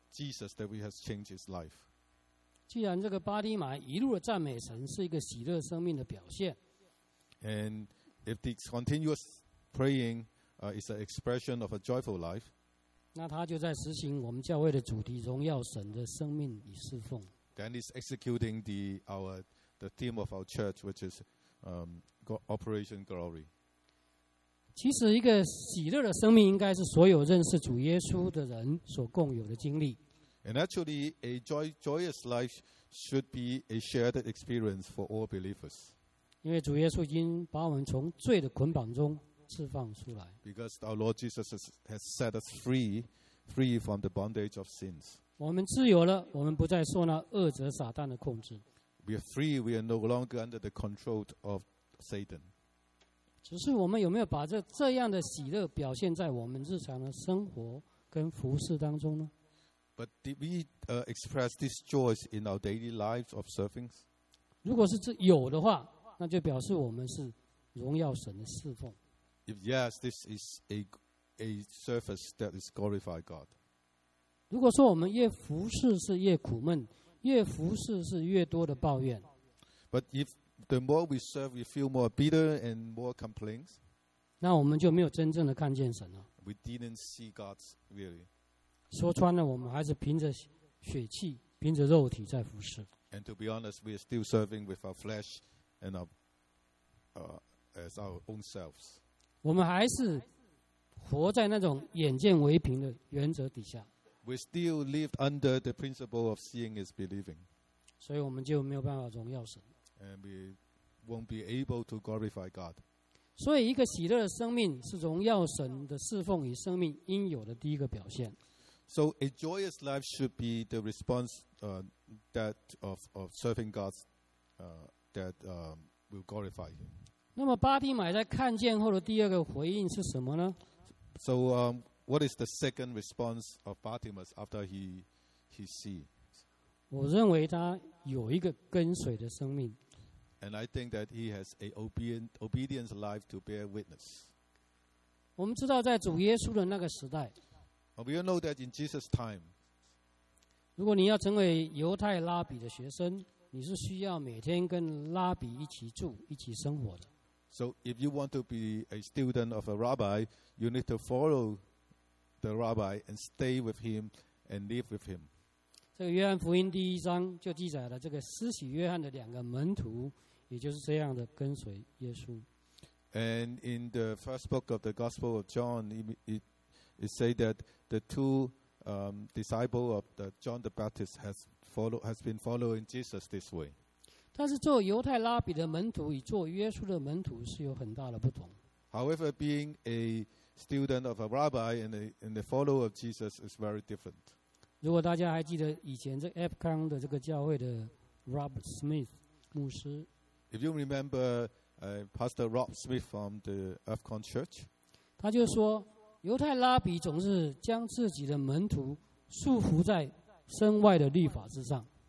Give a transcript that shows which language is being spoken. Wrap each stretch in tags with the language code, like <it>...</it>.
<en>Jesus that we has changed his life.</en> <zh>既然这个巴利买一路的赞美神是一个喜乐生命的表现。</zh> <en>And if the continuous praying, is an expression of a joyful life.</en> <zh>那他就在实行我们教会的主题，荣耀神的生命与侍奉。</zh> <en>Then he's executing the theme of our church, which is, Operation Glory.</en> <zh>其实一个喜乐的生命应该是所有认识主耶稣的人所共有的经历。</zh> <en>And actually, a joyous life should be a shared experience for all believers.</en> <zh>因为主耶稣已经把我们从罪的捆绑中释放出来。</zh> <en>Because our Lord Jesus has set us free from the bondage of sins.</en> <zh>我们自由了，我们不再受那恶者撒旦的控制。</zh> <en>We are free, we are no longer under the control of Satan.</en> <zh>只是我们有没有把这样的喜乐表现在我们日常的生活跟服事当中呢？</zh> <en>But did we express this joy in our daily lives of serving?</en> <zh>如果是有的话，那就表示我们是荣耀神的侍奉。</zh> <en>If yes, this is a service that is glorify God.</en> <zh>如果说我们越服事是越苦闷，越服事是越多的抱怨。</zh> <en>But if the more we serve, we feel more bitter and more complaints.</en> <zh>那我们就没有真正的看见神了。</zh> <en>We didn't see God really.</en> <zh>说穿了，我们还是凭着血气、凭着肉体在服侍。</zh> <en>And to be honest, we are still serving with our flesh and our, as our own selves.</en> <zh>我们还是活在那种眼见为凭的原则底下。</zh> <en>We still live under the principle of seeing is believing.</en> <zh>所以我们就没有办法荣耀神。</zh> <en>And we won't be able to glorify God.</en> <zh>所以一个喜乐的生命是荣耀神的侍奉与生命应有的第一个表现。</zh> <en>So a joyous life should be the response, that of serving God, that will glorify Him.</en> <zh>那么巴蒂买在看见后的第二个回应是什么呢？</zh> <en>So what is the second response of Bartimaeus after he see?</en> <zh>我认为他有一个跟随的生命。</zh> <en>And I think that he has an obedient life to bear witness.</en> <zh>我们知道在主耶稣的那个时代。</zh> <en>We all know that in Jesus' time.</en> <zh>如果你要成为犹太拉比的学生，你是需要每天跟拉比一起住，一起生活的。</zh> <en>So if you want to be a student of a rabbi, you need to follow the rabbi and stay with him and live with him.</en> <zh>这个约翰福音第一章就记载了这个施洗约翰的两个门徒，也就是这样的跟随耶稣。</zh> <en>And in the first book of the Gospel of John, it say that the two disciple of the John the Baptist has been following Jesus this way.</en> <zh>但是做犹太拉比的门徒与做耶稣的门徒是有很大的不同。</zh> <en>However, being a student of a rabbi and a follower of Jesus is very different.</en> <zh>如果大家还记得以前这 Epcon 的这个教会的 Rob Smith 牧师</zh> <en>，If you remember, Pastor Rob Smith from the Epcon Church，</en> <zh>他就说，犹太拉比总是将自己的门徒束缚在身外的律法之上</zh>